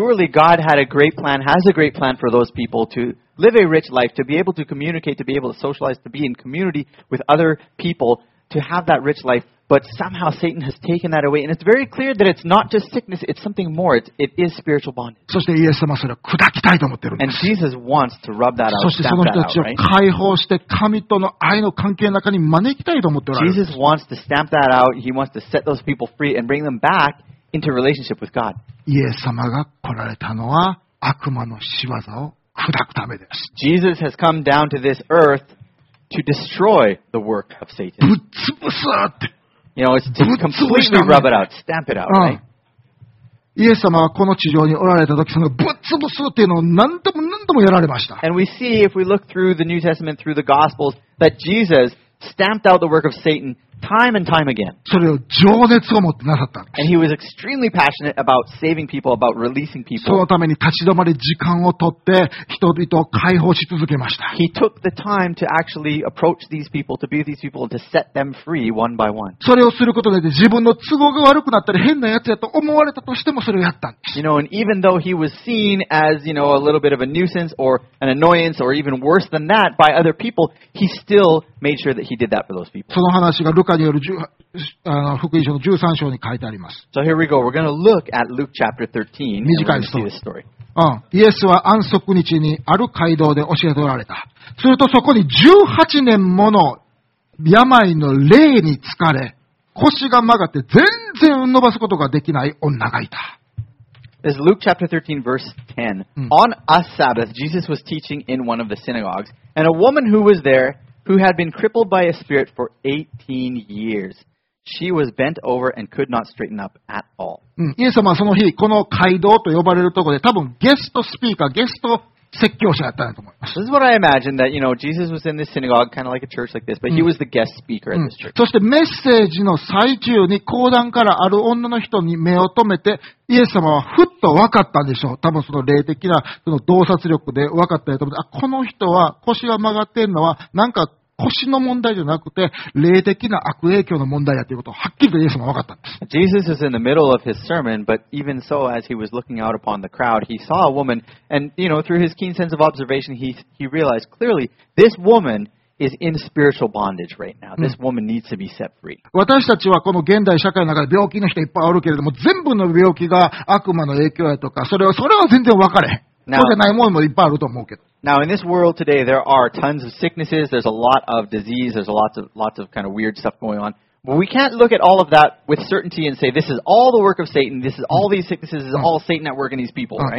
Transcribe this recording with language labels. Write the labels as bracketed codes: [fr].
[en] Surely God had a great plan, has a great plan for those people to... Live a rich life, to be able to communicate, to be able to socialize, to be in community with other people, to have that rich life. But somehow Satan has taken that away. And it's very clear that it's not just sickness, it's something more. It is spiritual bondage. [ja] そしてイエス様はそれを砕きたいと思ってるんです。 [en] And Jesus wants to rub that out, [ja] そしてその人たちを解放して神との愛の関係の中に招きたいと思ってる。 [en] Jesus wants to stamp that out. He wants to set those people free and bring them back into relationship with God. [ja] イエス様が来られたのは悪魔の仕業を砕くためです。 [en] Jesus has come down to this earth to destroy the work of Satan. [ja] ぶっ潰すって。 [en] You know, it's to completely rub it out, stamp it out, right? [ja] イエス様はこの地上におられた時、そのぶっ潰すっていうのを何度も何度もやられました。 [en] And we see if we look through the New Testament, through the Gospels, that Jesus stamped out the work of Satan time and time again. [ja] それを情熱を持ってなさったんです。 [en] And he was extremely passionate about saving people, about releasing people. [ja] そのために立ち止まり時間を取って人々を解放し続けました。 [en] He took the time to actually approach these people, to be with these people, to set them free one by one. [ja] それをすることで自分の都合が悪くなったり変なやつやと思われたとしてもそれをやったんです。 [en] You know, and even though he was seen as, you know, a little bit of a nuisance or an annoyance or even worse than that by other people, he still made sure that he did that for those people. [ja] その話がルカによる福音書の13章に書いてあります。 [en] So here we go. We're going to look at Luke chapter 13 and see this story. [ja] イエスは安息日にある街道で教えておられた。するとそこに18年もの病の霊に疲れ、腰が曲がって全然伸ばすことができない女がいた。 [en] This is Luke chapter 13 verse 10. On a Sabbath, Jesus was teaching in one of the synagogues, and a woman who was there. Who had been crippled by a spirit for 18 years. She was bent over and could not straighten up at all. [ja] イエス様はその日、この街道と呼ばれるところで、多分ゲストスピーカー、ゲスト説教者だったと思います。 [en] This is what I imagine that, you know, Jesus was in this synagogue, kind of like a church like this, but he was the guest speaker at this church. [ja] そしてメッセージの最中に、講談からある女の人に目を留めて、イエス様はふっと分かったんでしょう。多分その霊的なその洞察力で分かったやと思って、あ、この人は腰が曲がってんのは、なんか腰の問題じゃなくて、霊的な悪影響の問題やということをはっきりとイエス様は分かったんです。 [en] Jesus is in the middle of his sermon, but even so, as he was looking out upon the crowd, he saw a woman, and, you know, through his keen sense of observation, he realized clearly, this woman is in spiritual bondage right now. This woman needs to be set free. [ja] 私たちはこの現代社会の中で病気の人いっぱいおるけれども、全部の病気が悪魔の影響やとか、それは全然分かれへん。 [en] Now, [ja] そうじゃないものもいっぱいあると思うけど。 [en] Now, in this world today, there are tons of sicknesses. There's a lot of disease. There's lots of kind of weird stuff going on. We can't look at all of that with certainty and say, this is all the work of Satan, this is all these sicknesses, this is all Satan at work in these people, right?